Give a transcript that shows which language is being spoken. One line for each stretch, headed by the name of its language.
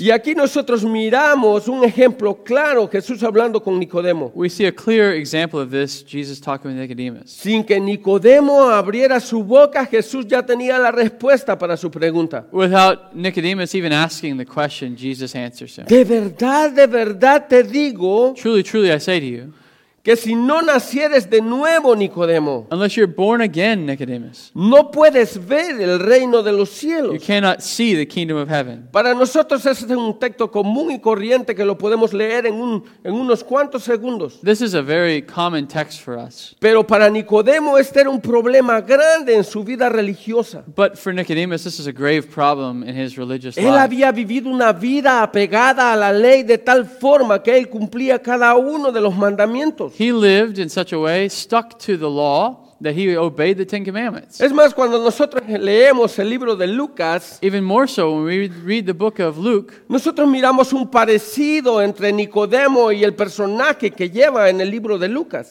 Spanish: Y aquí nosotros miramos un ejemplo claro, Jesús hablando con Nicodemo.
English: We see a clear example of this, Jesus talking with Nicodemus.
Spanish: Sin que Nicodemo abriera su boca, Jesús ya tenía la respuesta para su pregunta.
English: Without Nicodemus even asking the question, Jesus answers him.
Spanish: De verdad te digo,
English: truly, truly, I say to you,
Spanish: que si no nacieres de nuevo, Nicodemo,
English: unless you're born again, Nicodemus,
Spanish: no puedes ver el reino de los cielos.
English: You cannot see the kingdom of heaven.
Spanish: Para nosotros ese es un texto común y corriente que lo podemos leer en unos cuantos segundos.
English: This is a very common text for us.
Spanish: Pero para Nicodemo este era un problema grande en su vida religiosa.
English: But for Nicodemus this is a grave problem in his religious life.
Spanish: Él había vivido una vida apegada a la ley de tal forma que él cumplía cada uno de los mandamientos.
English: He lived in such a way, stuck to the law, That he obeyed the Ten Commandments.
Spanish: Es más, cuando nosotros leemos el libro de Lucas,
English: even more so when we read the book of Luke,
Spanish: nosotros miramos un parecido entre Nicodemo y el personaje que lleva en el libro de Lucas.